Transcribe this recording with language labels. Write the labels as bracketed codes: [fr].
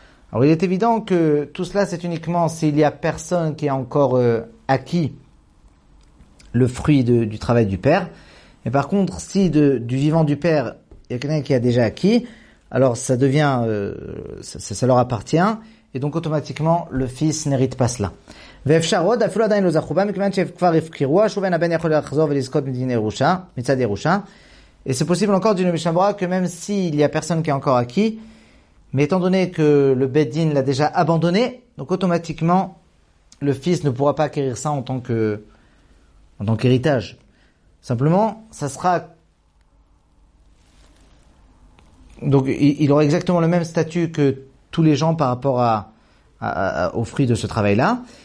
[fr] Alors il est évident que tout cela c'est uniquement s'il y a personne qui a encore acquis le fruit du travail du père. Et par contre, si du vivant du père, il y a quelqu'un qui a déjà acquis, alors ça devient ça leur appartient et donc automatiquement le fils n'hérite pas cela. [he] ואפשר עוד אפילו עדיין לא זכו בה מכיוון שכבר הפקירו שובן הבן יכול לחזור ולזכות מדין ירושה מצד ירושה. [fr] Et c'est possible encore d'une Mishnah Brura que même s'il y a personne qui est encore acquis, mais étant donné que le Beit Din l'a déjà abandonné, donc automatiquement le fils ne pourra pas acquérir ça en tant qu'héritage. Simplement, ça sera donc il aura exactement le même statut que tous les gens par rapport au fruit de ce travail là.